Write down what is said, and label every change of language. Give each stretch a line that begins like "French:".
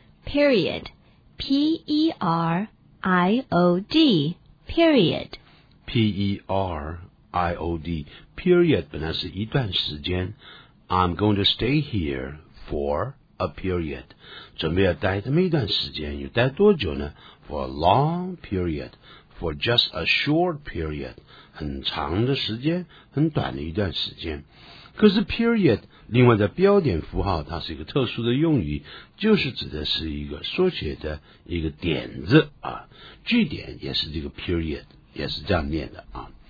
English: period P-E-R-I-O-D period
Chinese: P-E-R-I-O-D period 本来是一段时间，
English: I'm going to stay here for a period，
Chinese: 准备要待这么一段时间，有待多久呢？
English: For a long period， For just a short period，
Chinese: 很长的时间，很短的一段时间。可是 period 另外的标点符号，它是一个特殊的用语，就是指的是一个缩写的一个点子啊，句点也是这个 period， 也是这样念的啊。